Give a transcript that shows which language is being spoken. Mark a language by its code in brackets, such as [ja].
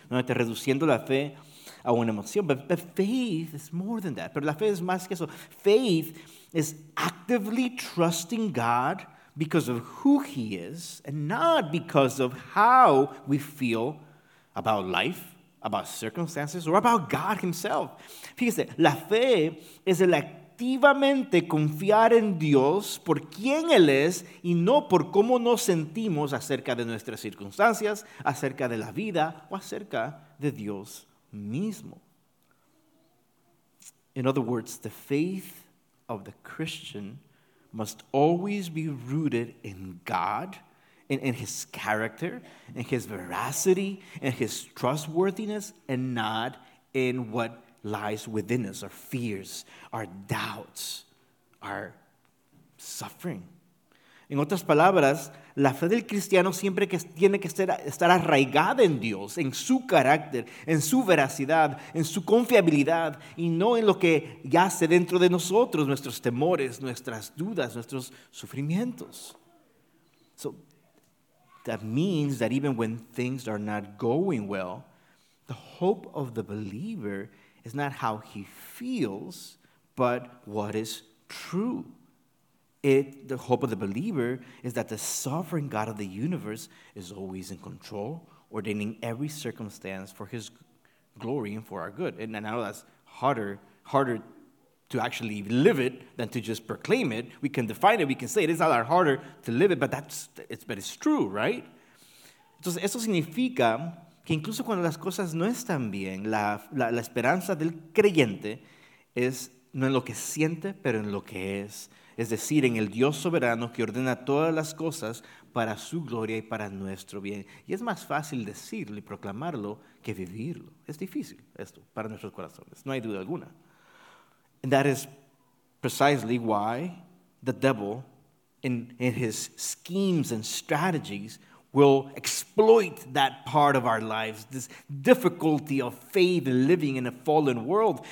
[es] No, te reduciendo la fe a una emoción. [en] But faith is more than that. [es] Pero la fe es más que eso. [en] Faith is actively trusting God because of who he is and not because of how we feel about life, about circumstances, or about God himself. [es] Fíjese, la fe es el activamente confiar en Dios por quien Él es y no por cómo nos sentimos acerca de nuestras circunstancias, acerca de la vida o acerca de Dios mismo. [en] In other words, the faith of the Christian must always be rooted in God, in His character, in His veracity, in His trustworthiness, and not in what lies within us, our fears, our doubts, our suffering. [es] En otras palabras, la fe del cristiano siempre que tiene que estar arraigada en Dios, en su carácter, en su veracidad, en su confiabilidad, y no en lo que yace dentro de nosotros, nuestros temores, nuestras dudas, nuestros sufrimientos. [en] So that means that even when things are not going well, the hope of the believer is not how he feels, but what is true. The hope of the believer is that the sovereign God of the universe is always in control, ordaining every circumstance for His glory and for our good. And I know that's harder to actually live it than to just proclaim it. We can define it, we can say it. It's a lot harder to live it, but it's true, right? [es] Entonces, eso significa que incluso cuando las cosas no están bien, la esperanza del creyente es no en lo que siente, pero en lo que es. Es decir, en el Dios soberano que ordena todas las cosas para su gloria y para nuestro bien. Y es más fácil decirlo y proclamarlo que vivirlo. Es difícil esto para nuestros corazones, no hay duda alguna. [en] And that is precisely why the devil, in his schemes and strategies, will exploit that part of our lives, this difficulty of faith and living in a fallen world.